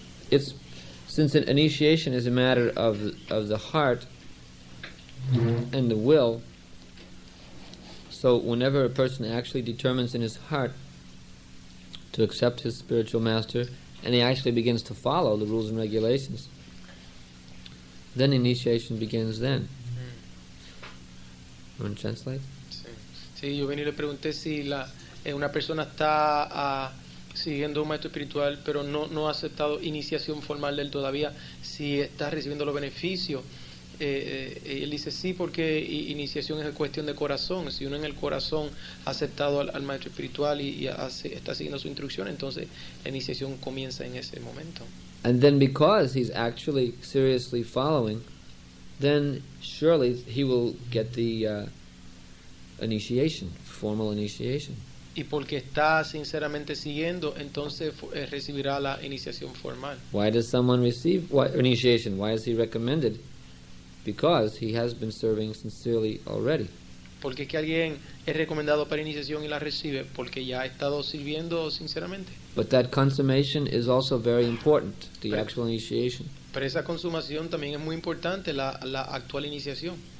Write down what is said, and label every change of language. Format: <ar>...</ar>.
<en>It's since an initiation is a matter of the heart and the will, so whenever a person actually determines in his heart to accept his spiritual master and he actually begins to follow the rules and regulations, then initiation begins then. Mm-hmm. Want to translate?</en> <es>Sí, yo vení y le pregunté si una persona está siguiendo un maestro espiritual, pero no ha aceptado iniciación formal de él todavía, si está recibiendo los beneficios. Él dice sí, porque iniciación es cuestión de corazón. Si uno en el corazón ha aceptado al maestro espiritual y está siguiendo su instrucción, entonces la iniciación comienza en ese momento.</es> <en>And then because he's actually seriously following, then surely he will get the initiation, formal initiation.</en> <es>Y porque está sinceramente siguiendo, entonces recibirá la iniciación formal.</es> <en>Why does someone receive initiation? Why is he recommended? Because he has been serving sincerely already.</en> <es>Porque que alguien es recomendado para iniciación y la recibe porque ya ha estado sirviendo sinceramente.</es> <en>But that consummation is also very important, the actual initiation.</en> <es>Pero esa consumación también es muy importante, la actual iniciación.</es>